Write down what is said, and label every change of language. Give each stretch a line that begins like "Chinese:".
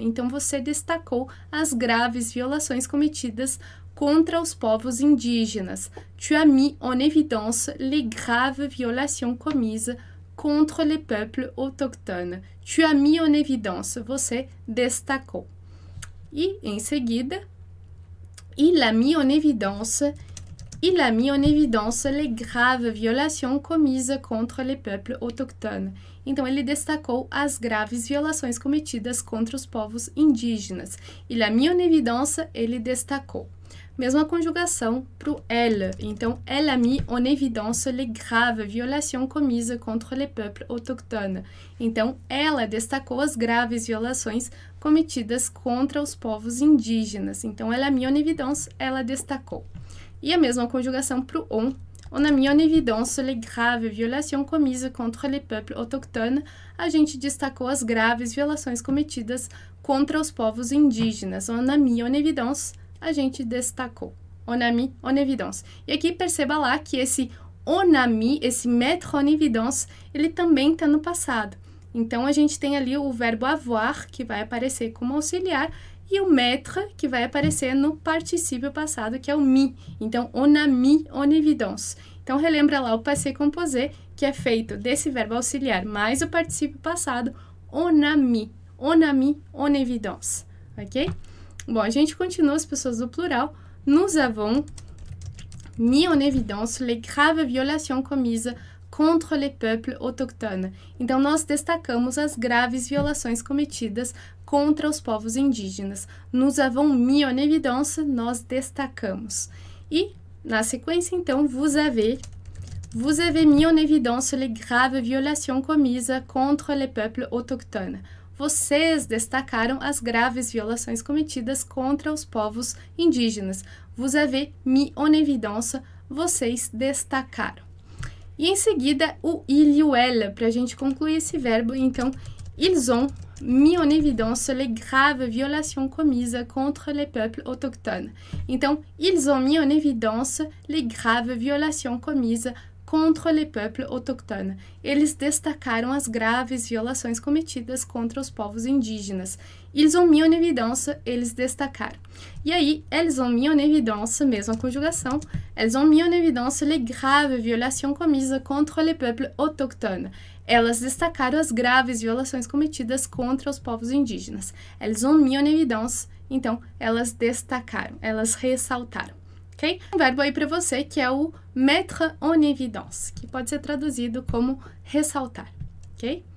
Portuguese: Então, você destacou as graves violações cometidas contra os povos indígenas.
French: Tu as mis en évidence les graves violations commises contre les peuples autochtones. Tu as mis en évidence.
Portuguese: Você destacou. E, em seguida,
French: il a mis en évidence les graves violations commises contre les peuples autochtones.
Portuguese: Então, ele destacou as graves violações cometidas contra os povos indígenas.
French: Il a mis en évidence,
Portuguese: ele destacou. Mesma conjugação para o elle. Então,
French: elle a mis en évidence les graves violations commises contre les peuples autochtones.
Portuguese: Então, ela destacou as graves violações cometidas contra os povos indígenas. Então,
French: elle a mis en évidence,
Portuguese: ela destacou. E a mesma conjugação para o on.
French: On a mis en évidence les graves violations commises contre les peuples autochtones.
Portuguese: A gente destacou as graves violações cometidas contra os povos indígenas.
French: On a mis en évidence,
Portuguese: a gente destacou.
French: On a mis en évidence.
Portuguese: E aqui perceba lá que esse on a mis, esse mettre en évidence, ele também está no passado. Então, a gente tem ali o verbo avoir, que vai aparecer como auxiliar, e o mettre, que vai aparecer no particípio passado, que é o mi. Então,
French: on a mis en évidence.
Portuguese: Então, relembra lá o passé composé, que é feito desse verbo auxiliar mais o particípio passado, on a mis en évidence. Ok? Bom, a gente continua as pessoas do plural.
French: Nous avons mis en évidence les graves violations commises contre les peuples autochtones.
Portuguese: Então, nós destacamos as graves violações cometidas contra os povos indígenas.
French: Nous avons mis en évidence,
Portuguese: nós destacamos. E, na sequência, então,
French: vous avez mis en évidence les graves violations commises contre les peuples autochtones.
Portuguese: Vocês destacaram as graves violações cometidas contra os povos indígenas.
French: Vous avez mis en évidence,
Portuguese: vocês destacaram. E em seguida, o il e o elle, para a gente concluir esse verbo. Então,
French: ils ont mis en évidence les graves violations commises contre les peuples autochtones.
Portuguese: Então,
French: ils ont mis en évidence les graves violations commises contre les peuples autochtones.
Portuguese: Eles destacaram as graves violações cometidas contra os povos indígenas.
French: Ils ont mis en évidence,
Portuguese: eles destacaram. E aí,
French: elles ont mis en évidence,
Portuguese: mesma conjugação,
French: elles ont mis en évidence les graves violations commises contre les peuples autochtones.
Portuguese: Elas destacaram as graves violações cometidas contra os povos indígenas.
French: Elles ont mis en évidence,
Portuguese: então elas destacaram, elas ressaltaram. Okay? Um verbo aí para você que é o mettre en évidence, que pode ser traduzido como ressaltar, ok?